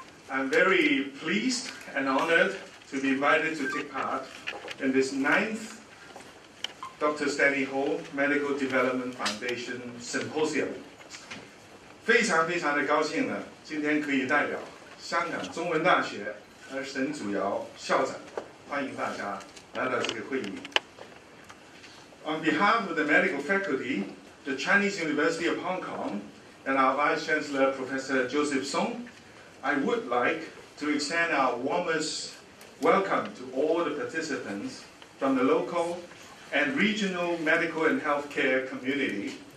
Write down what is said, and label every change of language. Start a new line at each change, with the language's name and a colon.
English: I'm very pleased and honored to be invited to take part in this 9th Dr. Stanley Ho Medical Development Foundation Symposium.
Chinese: 非常非常的高兴呢，今天可以代表香港中文大学沈祖尧校长欢迎大家来到这个会议。
English: On behalf of the medical facultyThe Chinese University of Hong Kong and our Vice Chancellor Professor Joseph Song, I would like to extend our warmest welcome to all the participants from the local and regional medical and healthcare community,